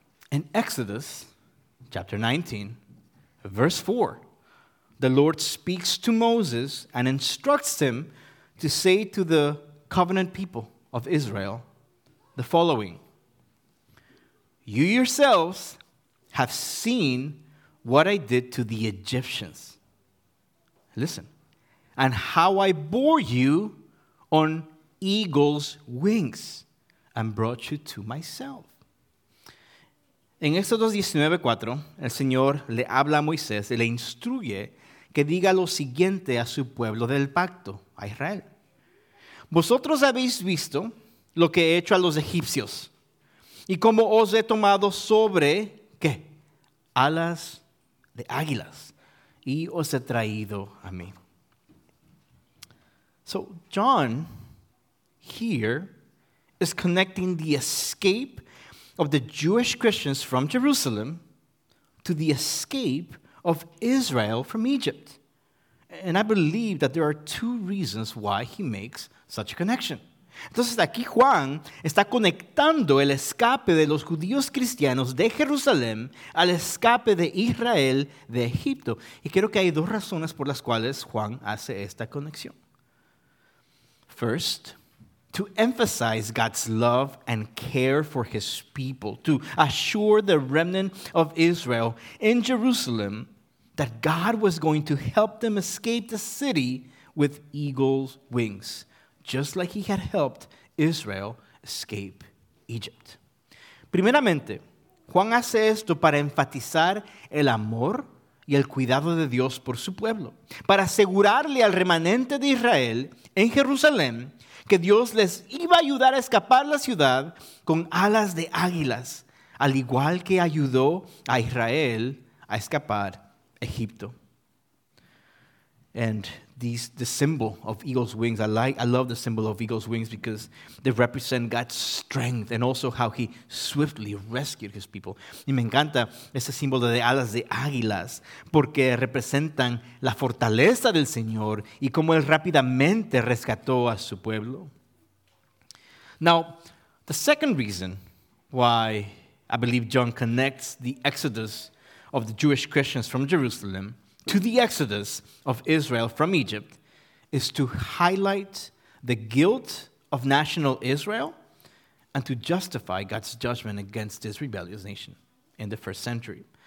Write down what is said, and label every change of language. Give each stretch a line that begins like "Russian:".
English: In Exodus chapter 19, verse 4, the Lord speaks to Moses and instructs him to say to the covenant people of Israel the following: You yourselves have seen what I did to the Egyptians. Listen. And how I bore you on eagle's wings and brought you to myself.
Spanish: En Éxodo 19:4, el Señor le habla a Moisés y le instruye que diga lo siguiente a su pueblo del pacto, a Israel. Vosotros habéis visto lo que he hecho a los egipcios. Y como os he tomado sobre, ¿qué? Alas de águilas. Y os he traído a mí.
English: So John here is connecting the escape of the Jewish Christians from Jerusalem to the escape of Israel from Egypt. And I believe that there are two reasons why he makes such a connection.
Spanish: Entonces, aquí Juan está conectando el escape de los judíos cristianos de Jerusalén al escape de Israel de Egipto. Y creo que hay dos razones por las cuales Juan hace esta conexión.
English: First, to emphasize God's love and care for his people, to assure the remnant of Israel in Jerusalem that God was going to help them escape the city with eagle's wings, just like he had helped Israel escape Egypt.
Spanish: Primeramente, Juan hace esto para enfatizar el amor y el cuidado de Dios por su pueblo, para asegurarle al remanente de Israel en Jerusalén que Dios les iba a ayudar a escapar la ciudad con alas de águilas, al igual que ayudó a Israel a escapar Egipto.
English: And the symbol of eagle's wings, I love the symbol of eagle's wings because they represent God's strength and also how he swiftly rescued his people.
Spanish: Y me encanta ese símbolo de alas de águilas porque representan la fortaleza del Señor y cómo él rápidamente rescató a su pueblo.
English: Now, the second reason why I believe John connects the exodus of the Jewish Christians from Jerusalem to the exodus of Israel from Egypt is to highlight the guilt of national Israel and to justify God's judgment against this rebellious nation in the first century.